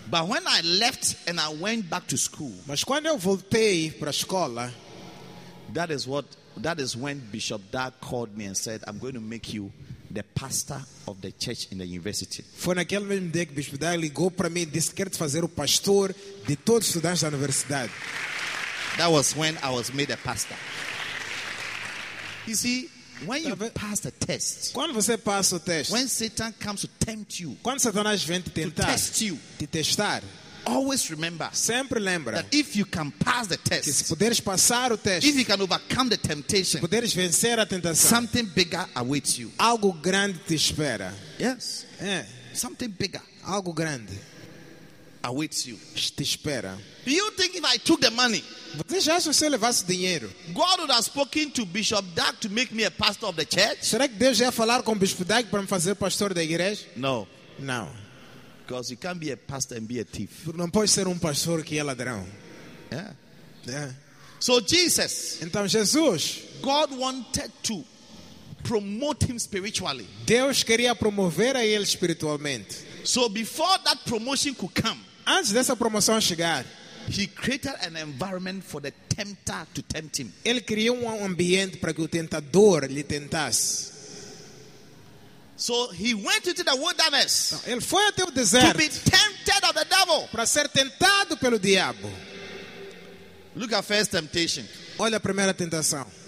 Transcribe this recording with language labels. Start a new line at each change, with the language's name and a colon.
English: But when I left and I went back to school.
Portuguese: Mas quando eu voltei para a escola,
English: that is when Bishop Dark called me and said, I'm going to make you the pastor of the church in the university.
Portuguese: Foi naquele mesmo dia que Bispo Dai ligou para mim e disse, quero te fazer o pastor de todos os estudantes da universidade.
English: That was when I was made a pastor. You see, when you pass the test,
Portuguese: quando você passa o teste,
English: when Satan comes to tempt you,
Portuguese: quando Satanás vem te tentar,
English: to test you,
Portuguese: te testar,
English: always remember,
Portuguese: sempre lembra,
English: that if you can pass the test,
Portuguese: que se puderes passar o teste,
English: if you can overcome the temptation,
Portuguese: se puderes vencer a tentação,
English: something bigger awaits you.
Portuguese: Algo grande te espera.
English: Yes.
Portuguese: É.
English: Something bigger.
Portuguese: Algo grande
English: awaits you.
Portuguese: Te espera.
English: Do you think if I took the money,
Portuguese: você já acha que se eu levasse dinheiro,
English: God would have spoken to Bishop Doug to make me a pastor of the church?
Portuguese: Será que Deus ia falar com o Bispo Doug para me fazer pastor da igreja?
English: No.
Portuguese: Não.
English: Because you can't be a pastor and be a thief.
Portuguese: Não pode ser pastor que é ladrão.
English: Yeah. Yeah. So Jesus.
Portuguese: Então Jesus.
English: God wanted to promote him spiritually.
Portuguese: Deus queria promover a ele espiritualmente.
English: So before that promotion could come.
Portuguese: Antes dessa promoção chegar.
English: He created an environment for the tempter to tempt him.
Portuguese: Ele criou ambiente para que o tentador lhe tentasse.
English: So he went into the wilderness.
Portuguese: Ele foi até o deserto.
English: To be tempted of the devil.
Portuguese: Para ser tentado pelo diabo.
English: Look at first temptation.
Portuguese: Olha a primeira tentação.